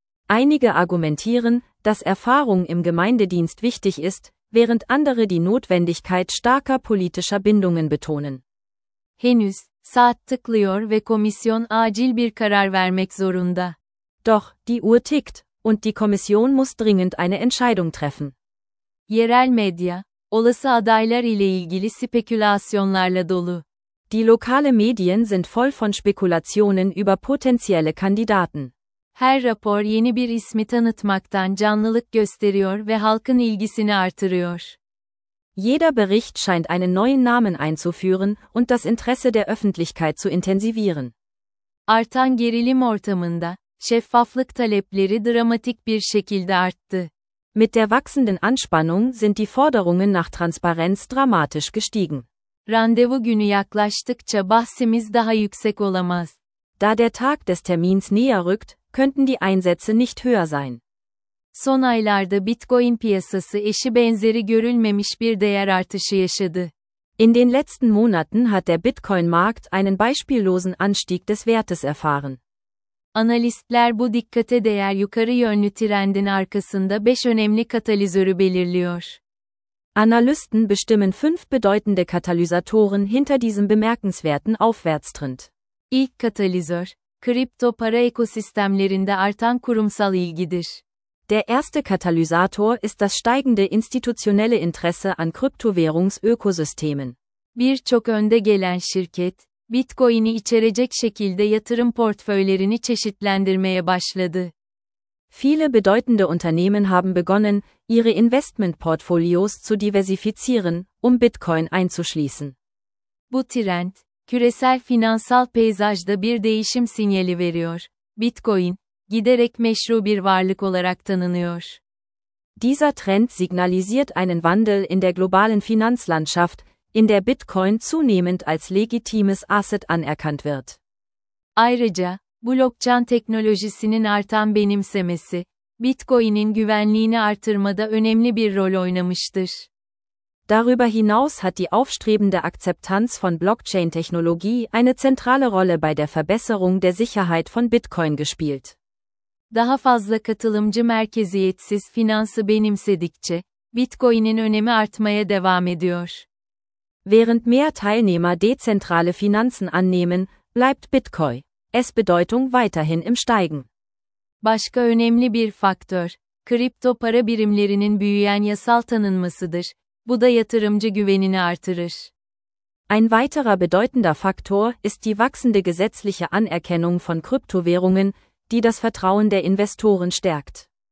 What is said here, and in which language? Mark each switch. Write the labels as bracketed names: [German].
[German] Einige argumentieren, dass Erfahrung im Gemeindedienst wichtig ist, während andere die Notwendigkeit starker politischer Bindungen betonen. [Turkish] Henüz, saat tıklıyor ve komisyon acil bir karar vermek zorunda. [German] Doch, die Uhr tickt, und die Kommission muss dringend eine Entscheidung treffen. [Turkish] Yerel medya, olası adaylar ile ilgili spekülasyonlarla dolu. [German] Die lokale Medien sind voll von Spekulationen über potenzielle Kandidaten. [Turkish] Her rapor yeni bir ismi tanıtmaktan canlılık gösteriyor ve halkın ilgisini artırıyor. [German] Jeder Bericht scheint einen neuen Namen einzuführen und das Interesse der Öffentlichkeit zu intensivieren. [Turkish] Artan gerilim ortamında, şeffaflık talepleri dramatik bir şekilde arttı. [German] Mit der wachsenden Anspannung sind die Forderungen nach Transparenz dramatisch gestiegen. [Turkish] Randevu günü yaklaştıkça bahsimiz daha yüksek olamaz. [German] Da der Tag des Termins näher rückt, könnten die Einsätze nicht höher sein. [Turkish] Son aylarda Bitcoin piyasası eşi benzeri görülmemiş bir değer artışı yaşadı. [German] In den letzten Monaten hat der Bitcoin-Markt einen beispiellosen Anstieg des Wertes erfahren. [Turkish] Analistler bu dikkate değer yukarı yönlü trendin arkasında 5 önemli katalizörü belirliyor. [German] Analysten bestimmen 5 bedeutende Katalysatoren hinter diesem bemerkenswerten Aufwärtstrend. [Turkish] İlk katalizör, kripto para ekosistemlerinde artan kurumsal ilgidir. [German] Der erste Katalysator ist das steigende institutionelle Interesse an Kryptowährungsökosystemen. [Turkish] Birçok önde gelen şirket, Bitcoin'i içerecek şekilde yatırım portföylerini çeşitlendirmeye başladı. [German] Viele bedeutende Unternehmen haben begonnen, ihre Investmentportfolios zu diversifizieren, um Bitcoin einzuschließen. [Turkish] Bu trend, küresel finansal peyzajda bir değişim sinyali veriyor. Bitcoin, giderek meşru bir varlık olarak tanınıyor. [German] Dieser Trend signalisiert einen Wandel in der globalen Finanzlandschaft, in der Bitcoin zunehmend als legitimes Asset anerkannt wird. [Turkish] Ayrıca, blockchain teknolojisinin artan benimsemesi, Bitcoin'in güvenliğini artırmada önemli bir rol oynamıştır. [German] Darüber hinaus hat die aufstrebende Akzeptanz von Blockchain-Technologie eine zentrale Rolle bei der Verbesserung der Sicherheit von Bitcoin gespielt. [Turkish] Daha fazla katılımcı merkeziyetsiz finansı benimsedikçe, Bitcoin'in önemi artmaya devam ediyor. [German] Während mehr Teilnehmer dezentrale Finanzen annehmen, bleibt Bitcoin, es Bedeutung weiterhin im Steigen. [Turkish] Başka önemli bir faktör, kripto para birimlerinin büyüyen yasal tanınmasıdır. Bu da yatırımcı güvenini artırır. [German] Ein weiterer bedeutender Faktor ist die wachsende gesetzliche Anerkennung von Kryptowährungen, die das Vertrauen der Investoren stärkt.